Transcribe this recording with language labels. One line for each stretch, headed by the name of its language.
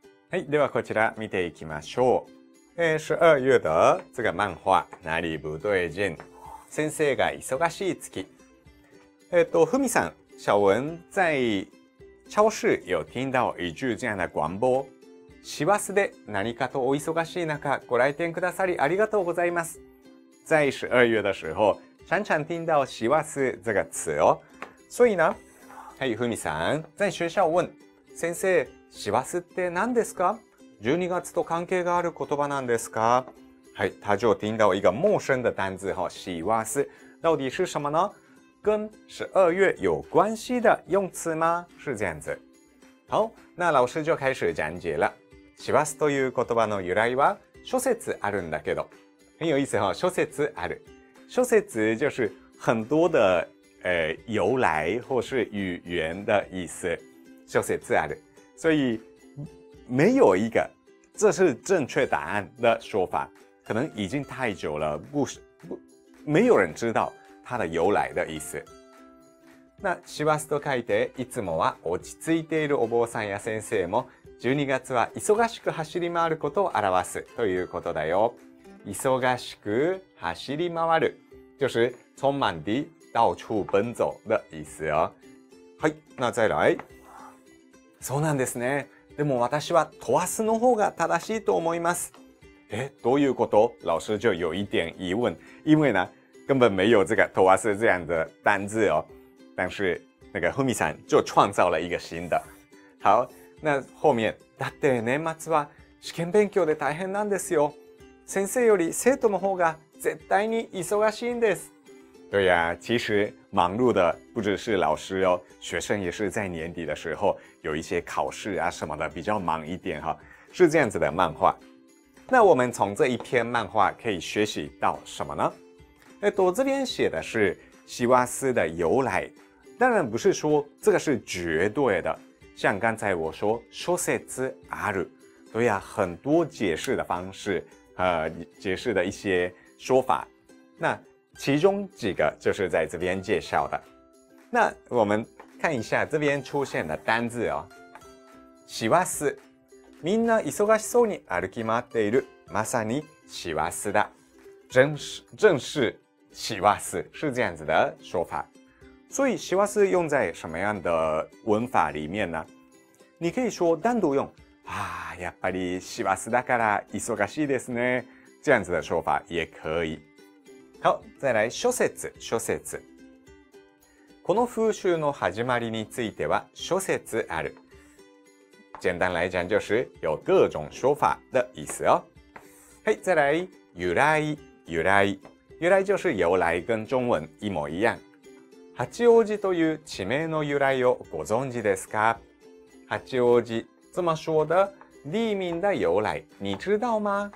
Japanese: はい、ではこちら見ていきましょう。
Chinese: 12月的这个漫画哪里不对劲，
Japanese: 先生が忙しい月。
Chinese: ふみさん、小文在超市有听到一句这样的广播。
Japanese: 師走で何かとお忙しい中ご来店くださりありがとうございます。
Chinese: 在12月的时候，常常听到師走这个词哦。所以呢，はい、ふみさん、在学校问先生、
Japanese: 師走って何ですか？ 12月と関係がある言葉なんですか？
Chinese: はい、他就听到一个陌生的单字哈，師走到底是什么呢？跟12月有关系的用词吗？是这样子。好，那老师就开始讲解了。
Japanese: 師走という言葉の由来は諸説あるんだけど，
Chinese: 很有意思哈，
Japanese: 諸説ある。
Chinese: 諸説就是很多的由来或是语言的意思。諸説ある。所以没有一个这是正确答案的说法，可能已经太久了，不没有人知道它的由来的意思。
Japanese: 那師走と書いていつもは落ち着いているお坊さんや先生も12月は忙しく走り回ることを表すということだよ。
Chinese: 忙しく走り回る就是匆忙地到处奔走的意思哦。はい、那再来。
Japanese: そうなんですね。でも私は問わすの方が正しいと思います。どういうこと？
Chinese: 老师就有一点疑问，因为呢根本没有这个問わす这样的单字哦。但是那个ふみさん就创造了一个新的。好，那后面
Japanese: だって年末は試験勉強で大変なんですよ。先生より生徒の方が絶対に忙しいんです。
Chinese: 对呀，其实忙碌的不只是老师哦，学生也是在年底的时候有一些考试啊什么的比较忙一点哈，是这样子的漫画。那我们从这一篇漫画可以学习到什么呢？这边写的是希瓦斯的由来，当然不是说这个是绝对的，像刚才我说
Japanese: 諸説ある，
Chinese: 对呀，很多解释的方式，解释的一些说法。那其中几个就是在这边介绍的。那我们看一下这边出现的单字哦。
Japanese: 師走。みんな忙しそうに歩き回っている。まさに師走だ。
Chinese: 正是師走。是这样子的说法。所以師走用在什么样的文法里面呢？你可以说单独用。
Japanese: 啊，やっぱり師走だから忙しいですね。
Chinese: 这样子的说法也可以。好，再来諸説。諸説。
Japanese: この風習の始まりについては諸説ある。
Chinese: 簡単来讲就是有各种说法的意思哦。はい、再来由来。
Japanese: 由来。
Chinese: 由来就是由来跟中文一模一样。
Japanese: 八王子という地名の由来をご存知ですか？八王子。
Chinese: 这么说的地名的由来你知道吗？